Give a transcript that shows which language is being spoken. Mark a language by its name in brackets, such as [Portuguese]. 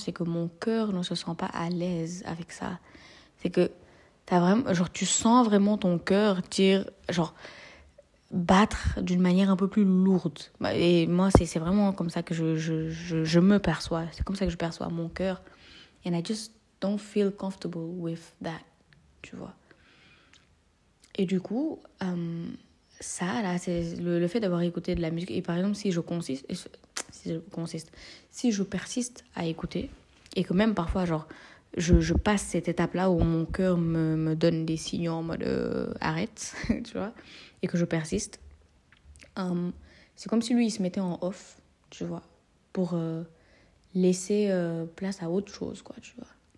[French] C'est que mon cœur ne se sent pas à l'aise avec ça. C'est que t'as vraiment, genre, tu sens vraiment ton cœur dire, genre, battre d'une manière un peu plus lourde. Et moi, c'est vraiment comme ça que je me perçois. C'est comme ça que je perçois mon cœur. [English] And I just don't feel comfortable with that, [French] tu vois. Et du coup, ça, là, c'est le fait d'avoir écouté de la musique. Et par exemple, si je persiste à écouter, et que même parfois, genre, je passe cette étape-là où mon cœur me donne des signaux en mode « arrête », tu vois, et que je persiste, c'est comme si lui, il se mettait en off, tu vois, pour laisser place à autre chose, quoi, tu vois.